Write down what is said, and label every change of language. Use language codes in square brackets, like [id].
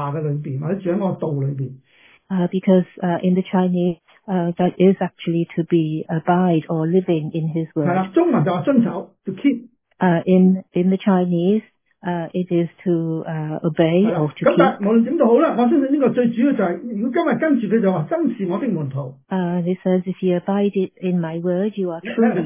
[yue] 系啊，就系中文就讲常常遵守我的道，但系其实如果直译咧就唔系直，唔系遵守，系住喺我嘅话嘅里边，或者住喺我道里边。 [en] Because in the Chinese, that is actually to be abide or living in His word. [yue] 系啦，中文就话遵守 [en] to keep. In the Chinese, it is to obey or to keep. [yue] 咁但无论点都好啦，我相信呢个最主要就系，如果今日跟住佢就话，真是我的门徒。 [en] He says, if you abide in my word, you are truly.